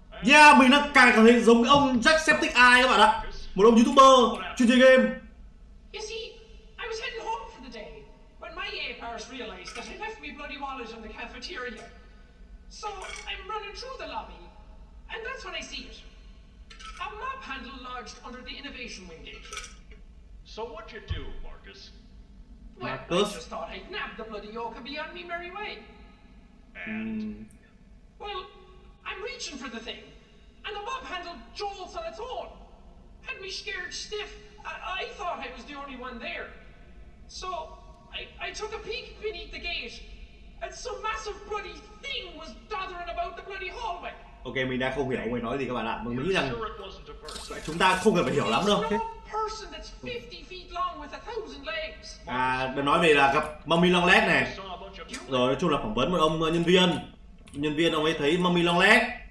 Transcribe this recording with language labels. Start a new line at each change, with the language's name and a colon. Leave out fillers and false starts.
Vietnamese: Yeah, mình đang càng cảm thấy giống cái ông Jacksepticeye các bạn ạ. Một ông YouTuber chuyên chơi game.
English: You see, I was heading home for the day when my A-Pars realized that I left my bloody wallet in the cafeteria. So, I'm running through the lobby and that's when I see it. A map handle lodged under the innovation wing gate. So what you do, Marcus? Well, I just thought I'd nab the bloody yoke and be on me merry way. And? Well, I'm reaching for the thing, and the mop handle jolts on its own. Had me scared stiff. I thought I was the only one there. So, I took a peek beneath the gate, and some massive bloody thing was dothering about the bloody hallway.
Vietnamese: Okay, mình đã không hiểu ông ấy nói gì các bạn ạ. Mình nghĩ rằng chúng ta không cần phải hiểu lắm đâu. Okay.
English: Person that's 50 feet long with 1,000 legs.
Vietnamese: À, mình nói về là gặp mummy long legs này. Rồi nói chung là phỏng vấn một ông nhân viên. Nhân viên ông ấy thấy mummy long legs.